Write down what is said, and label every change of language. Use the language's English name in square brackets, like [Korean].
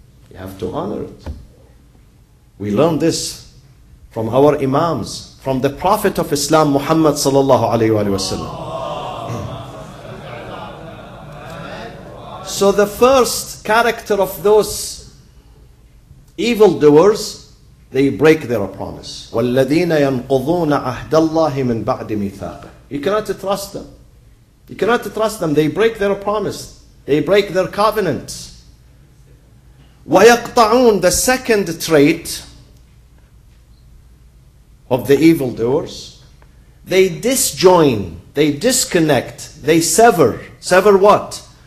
[English] You have to honor it. We learn this from our imams, from the Prophet of Islam, Muhammad sallallahu alayhi wa sallam. So the first character of those evildoers, they break their promise. [Arabic] وَالَّذِينَ يَنْقُضُونَ عَهْدَ اللَّهِ مِنْ بَعْدِ مِيثَاقٍ [English] You cannot trust them. You cannot trust them. They break their promise. They break their covenant. وَيَقْطَعُونَ The second trait of the evildoers, they disjoin, they disconnect, they sever. Sever what?